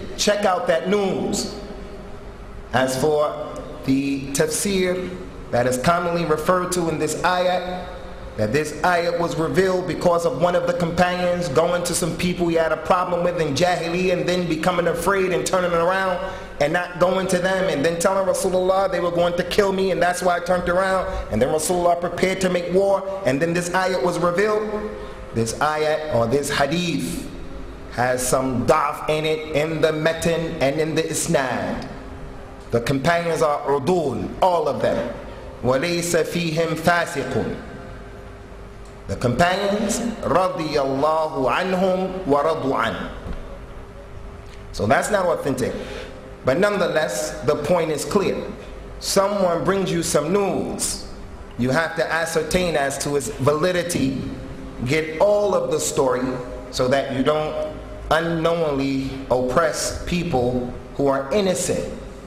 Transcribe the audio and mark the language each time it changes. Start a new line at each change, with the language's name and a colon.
English: Check out that news. As for the tafsir that is commonly referred to in this ayat, that this ayat was revealed because of one of the companions going to some people he had a problem with in Jahiliyyah and then becoming afraid and turning around and not going to them and then telling Rasulullah they were going to kill me and that's why I turned around and then Rasulullah prepared to make war and then this ayat was revealed. This ayat or this hadith has some da'af in it in the metin and in the isnad. The companions are udul, all of them.
Arabic: وَلَيْسَ فِيهِمْ فَاسِقٌ.
English: The companions,
Arabic: رَضِيَ اللَّهُ عَنْهُمْ وَرَضُوا عَنْهُمْ.
English: So that's not authentic. But nonetheless, the point is clear. Someone brings you some news. You have to ascertain as to its validity. Get all of the story so that you don't unknowingly oppress people who are innocent.